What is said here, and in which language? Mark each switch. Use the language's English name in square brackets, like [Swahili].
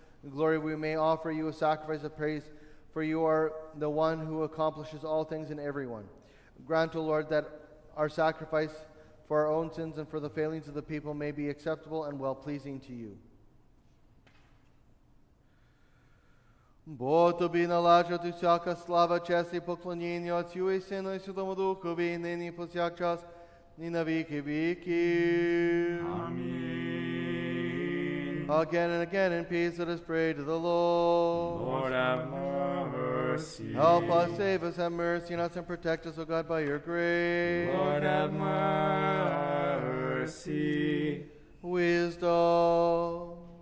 [English] glory, we may offer you a sacrifice of praise, for you are the one who accomplishes all things in everyone. Grant, O Lord, that our sacrifice for our own sins and for the failings of the people may be acceptable and well-pleasing to you. [Ukrainian] Бо тобі належить усяка слава, честь і поклоніння, Отцю і Сину і Святому Духові, нині, повсякчас, і навіки віки. Амінь. [English] Again and again in peace, let us pray to the Lord. Lord, have mercy. Help us, save us, have mercy on us, and protect us, O God, by your grace. Lord, have mercy. Wisdom.